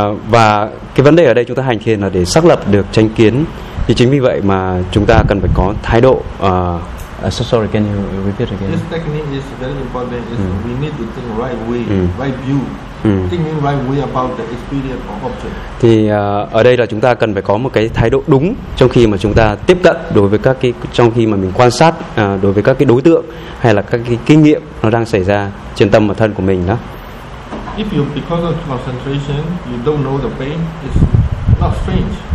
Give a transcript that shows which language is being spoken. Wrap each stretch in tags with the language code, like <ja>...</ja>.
<vi>Và cái vấn đề ở đây chúng ta hành thiền là để xác lập được chánh kiến, thì chính vì vậy mà chúng ta cần phải có thái độ.</vi> <en>Sorry, can you repeat again? This technique is very important. We need to think right way, right view, thinking right way about the experience of object.</en> <vi>Thì ở đây là chúng ta cần phải có một cái thái độ đúng trong khi mà chúng ta tiếp cận đối với các cái, trong khi mà mình quan sát đối với các cái đối tượng hay là các cái kinh nghiệm nó đang xảy ra trên tâm và thân của mình đó.</vi> <en>If you because of concentration, you don't know the pain, it's not strange.</en>